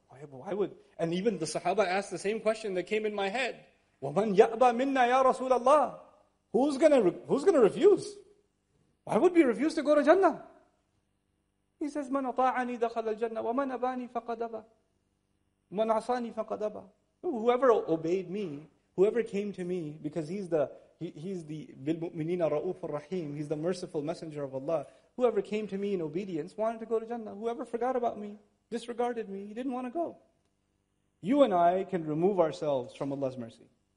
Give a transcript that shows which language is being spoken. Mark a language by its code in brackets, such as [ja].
[en] Why would? And even the Sahaba asked the same question that came in my head. [ar] وَمَنْ يَأْبَى مِنَّا يَا رَسُولَ اللَّهِ. [en] Who's gonna refuse? Why would we refuse to go to Jannah? He says, [ar] مَنْ أَطَاعَنِي دَخَلَ الْجَنَّةِ وَمَنْ أَبَانِي فَقَدْ أَبَى. مَنْ عَصَانِي فَقَدْ أَبَى. [en] Whoever obeyed me, whoever came to me, because he's the [ar] بِالْمُؤْمِنِينَ رَؤُوفُ الرَّحِيمُ. [en] He's the merciful messenger of Allah. Whoever came to me in obedience wanted to go to Jannah. Whoever forgot about me, disregarded me, he didn't want to go. You and I can remove ourselves from Allah's mercy.